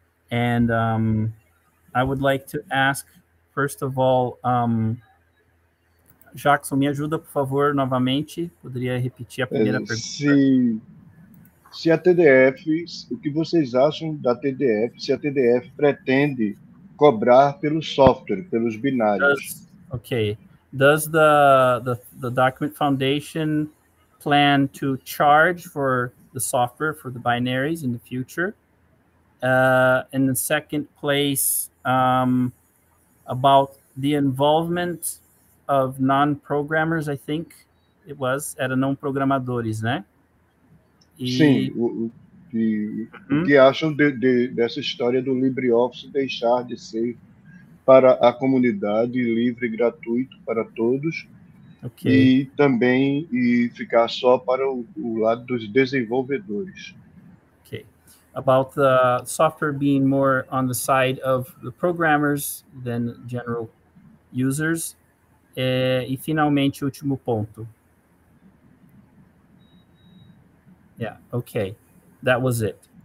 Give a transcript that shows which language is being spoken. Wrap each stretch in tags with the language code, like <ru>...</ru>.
<en>And I would like to ask, first of all, Jackson,</en> <pt>me ajuda, por favor, novamente. Poderia repetir a primeira pergunta? Se a TDF, o que vocês acham da TDF, se a TDF pretende cobrar pelo software, pelos binários?</pt> <en>Does the Document Foundation plan to charge for the software, for the binaries in the future? In the second place, about the involvement of non-programmers, I think it was,</en> <pt>era não programadores, né? Sim, o que acham dessa história do LibreOffice deixar de ser para a comunidade livre e gratuito para todos, okay. E também ficar só para o lado dos desenvolvedores.</pt> <en>Okay. about the software being more on the side of the programmers than general users.</en> <pt>E finalmente, o último ponto.</pt> <en>Yeah, okay. That was it.</en>